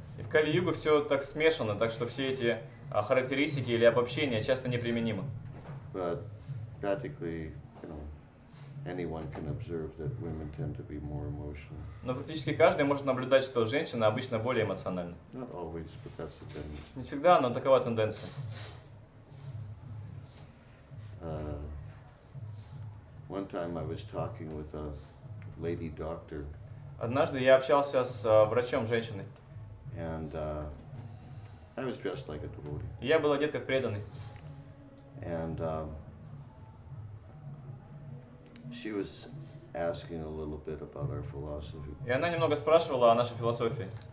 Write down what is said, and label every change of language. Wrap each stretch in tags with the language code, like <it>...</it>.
<ru>И в Кали-Юге все так смешано, так что все эти характеристики или обобщения часто неприменимы.</ru> <en>But practically, anyone can observe that women tend to be more emotional.</en> <ru>Но практически каждый может наблюдать, что женщины обычно более эмоциональны.</ru> <en>Not always, but that's the tendency.</en> <ru>Не всегда, но такова тенденция.</ru> <en>One time I was talking with a lady doctor.</en> <ru>Однажды я общался с врачом женщиной.</ru> <en>And I was dressed like a devotee.</en> <ru>Я был одет как преданный.</ru> <en>And she was asking a little bit about our philosophy.</en> <ru>И она немного спрашивала о нашей философии.</ru>